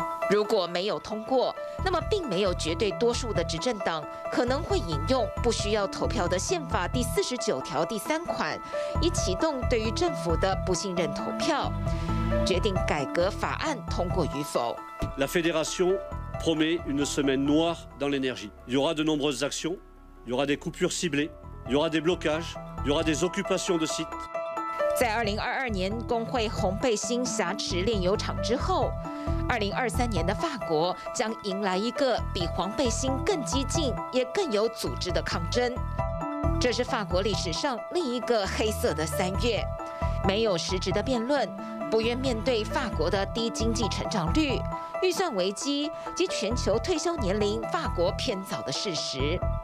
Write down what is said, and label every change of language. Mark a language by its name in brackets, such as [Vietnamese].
[Chinese] 如果没有通过，那么并没有绝对多数的执政党可能会引用不需要投票的宪法第四十九条第三款，以启动对于政府的不信任投票，决定改革法案通过与否。 [French] La fédération promet une semaine noire dans l'énergie. Il y aura de nombreuses actions, il y aura des coupures ciblées, il y aura des blocages, il y aura des occupations de sites. [Chinese] 在2022年工会红背心挟持炼油厂之后，2023年的法国将迎来一个比黄背心更激进也更有组织的抗争。这是法国历史上另一个黑色的三月，没有实质的辩论，不愿面对法国的低经济成长率、预算危机及全球退休年龄法国偏早的事实。